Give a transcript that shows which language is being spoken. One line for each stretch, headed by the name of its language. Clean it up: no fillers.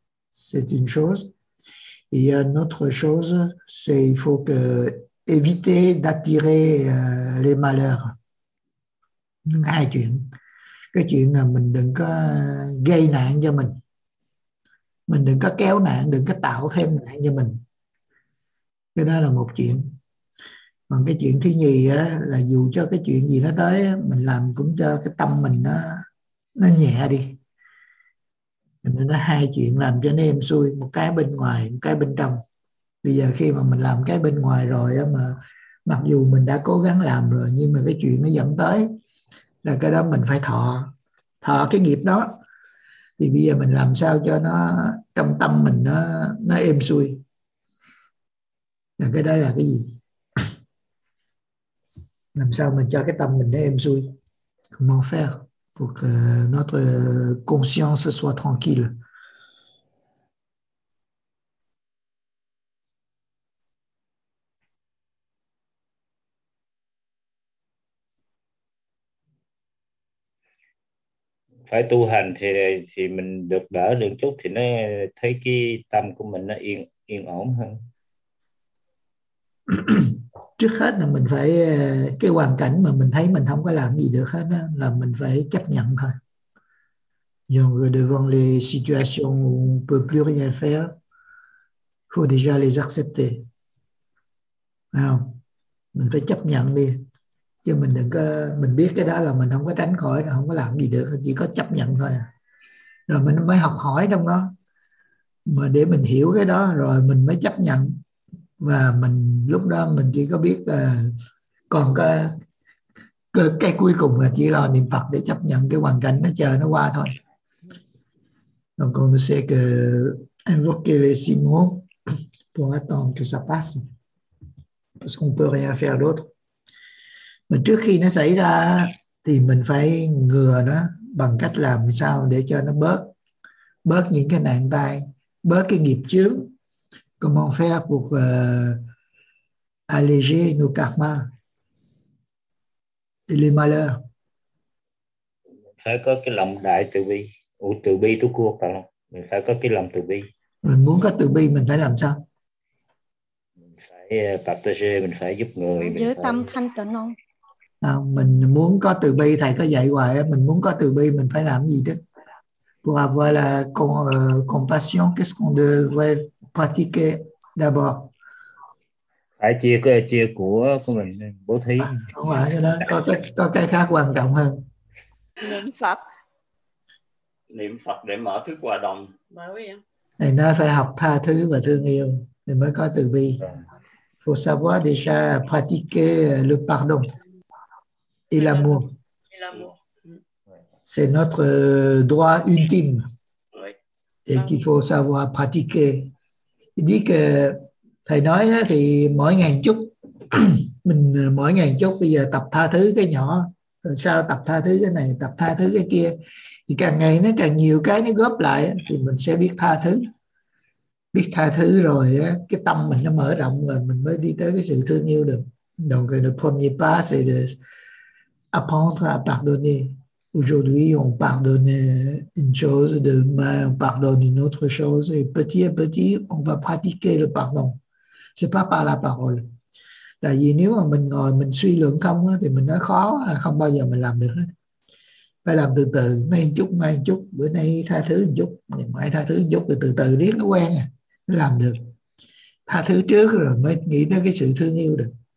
French: C'est une chose. Et une autre chose, c'est qu'il faut éviter d'attirer les malheurs.
Vietnamese: Hai chuyện. Cái chuyện là mình đừng có gây nạn cho mình. Mình đừng có kéo nạn, đừng có tạo thêm nạn cho mình. Cái đó là một chuyện. Còn cái chuyện thứ nhì á, là dù cho cái chuyện gì nó tới, mình làm cũng cho cái tâm mình nó nhẹ đi. Mình nói hai chuyện làm cho nó êm xuôi. Một cái bên ngoài, một cái bên trong. Bây giờ khi mà mình làm cái bên ngoài rồi á, mà mặc dù mình đã cố gắng làm rồi, nhưng mà cái chuyện nó dẫn tới là cái đó mình phải thọ cái nghiệp đó. Thì bây giờ mình làm sao cho nó trong tâm mình nó êm xuôi, là cái đó là cái gì, làm sao mình cho cái tâm mình nó êm xuôi.
French: Comment faire pour que notre conscience soit tranquille?
Vietnamese: Phải tu hành thì mình được đỡ được chút thì nó thấy cái tâm của mình nó yên ổn hơn. Trước hết là mình phải cái hoàn cảnh mà mình thấy mình không có làm gì được hết đó, là mình phải chấp nhận thôi.
French: Donc devant les situations où on peut plus rien faire, faut déjà les accepter.
Vietnamese: Không? Mình phải chấp nhận đi. Chứ mình đừng có, mình biết cái đó là mình không có tránh khỏi, không có làm gì được, chỉ có chấp nhận thôi. Rồi mình mới học hỏi trong đó, mà để mình hiểu cái đó rồi mình mới chấp nhận. Và mình lúc đó mình chỉ có biết là còn cái cuối cùng là chỉ lo niệm Phật để chấp nhận cái hoàn cảnh nó chờ nó qua thôi.
French: Donc on sait que invoquer les six mots pour attendre que ça passe, parce qu'on peut rien faire d'autre.
Vietnamese: Mà trước khi nó xảy ra thì mình phải ngừa nó bằng cách làm sao để cho nó bớt bớt những cái nạn tai, bớt cái nghiệp chướng.
French: Comment faire pour alléger nos karmas et les malheurs?
Vietnamese: Phải có cái lòng đại từ bi, ủa từ bi tôi cua phải không? Mình phải có cái lòng từ bi. Mình muốn có từ bi mình phải làm sao? Mình phải partager, mình phải giúp người. Giữ tâm thanh tịnh không? À, mình muốn có từ bi, thầy có dạy hoài, mình muốn có từ bi mình phải làm gì chứ?
French: Pour avoir la compassion, qu'est-ce qu'on devrait pratiquer d'abord?
Vietnamese: Phải chia của mình bố thí. Không phải, cho nên có cái khác quan trọng hơn. Niệm Phật. Niệm Phật để mở thức hòa đồng. Thầy nói phải học tha thứ và thương yêu thì mới có từ bi.
French: Faut savoir déjà pratiquer le pardon. Et l'amour. Et l'amour. C'est notre droit ultime. Et qu'il faut savoir pratiquer. Il dit que,
Vietnamese: thầy nói thì mỗi ngày chút, mình mỗi ngày chút bây giờ tập tha thứ cái nhỏ, rồi sau tập tha thứ cái này, tập tha thứ cái kia. Thì càng ngày nó càng nhiều cái nó góp lại thì mình sẽ biết tha thứ. Biết tha thứ rồi cái tâm mình nó mở rộng rồi mình mới đi tới cái sự thương yêu được.
French: Donc le premier pas c'est de apprendre à pardonner. Aujourd'hui, on pardonne une chose, demain, on pardonne une autre chose. Et petit à petit, on va pratiquer le pardon. C'est pas par la parole.
Vietnamese: Tại vì nếu mà mình ngồi, mình suy luận không, thì mình nói khó, không bao giờ mình làm được. Phải làm từ từ, mai một chút, bữa nay tha thứ một chút, mai tha thứ một chút, từ từ riết nó quen, nó làm được. Tha thứ trước rồi mới nghĩ tới cái sự thương yêu được.